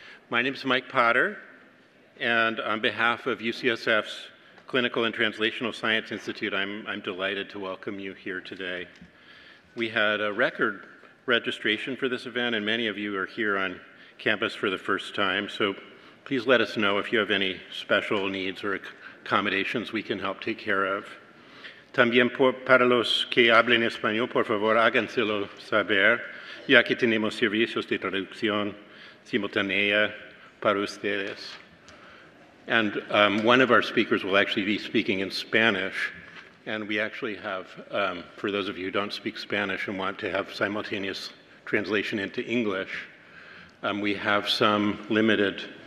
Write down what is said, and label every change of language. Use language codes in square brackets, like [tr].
[en] My name is Mike Potter, and on behalf of UCSF's Clinical and Translational Science Institute, I'm delighted to welcome you here today. We had a record registration for this event, and many of you are here on campus for the first time, so please let us know if you have any special needs or accommodations we can help take care of. [es] También para los que hablen español, por favor, háganselo saber, ya que tenemos servicios de traducción simultánea para ustedes. [en] And one of our speakers will actually be speaking in Spanish. And we actually have, for those of you who don't speak Spanish and want to have simultaneous translation into English, we have some limited...